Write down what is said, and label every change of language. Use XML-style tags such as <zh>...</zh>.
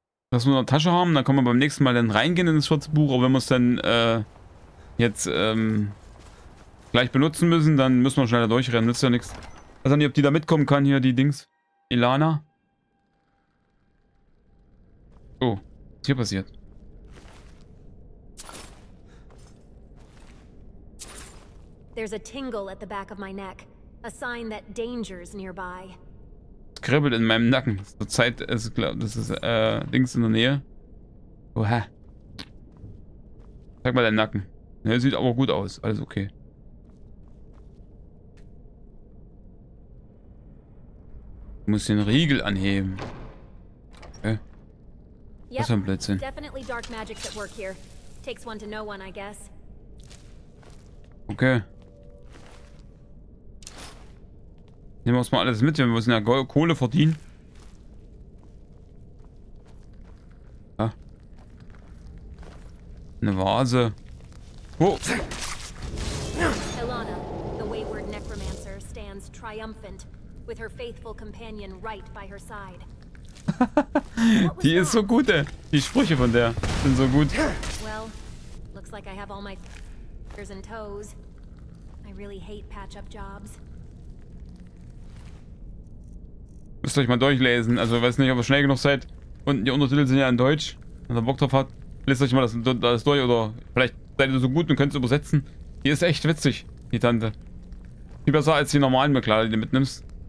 <de>Dass wir eine Tasche haben, dann können wir beim nächsten Mal dann reingehen in das schwarze Buch. Aber wenn wir es dann gleich benutzen müssen, dann müssen wir schneller durchrennen. Nützt ja nichts. Weiß auch nicht, ob die da mitkommen kann hier, die Dings. Ilana. Oh, was ist hier passiert?</de> <en>There's a tingle at the back of my neck, a sign that danger's nearby.</en> <de>Es kribbelt in meinem Nacken. Zurzeit ist, glaube, das ist Dings in der Nähe. Oha. Zeig mal deinen Nacken. Ja, sieht aber gut aus. Alles okay. Ich muss den Riegel anheben. Okay. Was für ein Blödsinn.</de> <en>Definitely dark magics at work here. Takes one to know one, I guess. Okay.</en> <de>Nehmen wir uns mal alles mit, wir müssen ja Kohle verdienen. Ja. Eine Vase. Oh!</de> <en>Ilana, the wayward necromancer, stands triumphant, with her faithful companion right by her side.</en> <de>Die ist so gut, ey. Die Sprüche von der sind so gut.</de> <en>Well, looks like I have all my fingers and toes. I really hate patch-up jobs.</en> <de>Müsst euch mal durchlesen. Also weiß nicht, ob ihr schnell genug seid. Und die Untertitel sind ja in Deutsch. Wenn ihr Bock drauf habt, lest euch mal das durch. Oder vielleicht seid ihr so gut und könnt es übersetzen. Die ist echt witzig, die Tante. Viel besser als die normalen McLaren, die du mitnimmst.</de>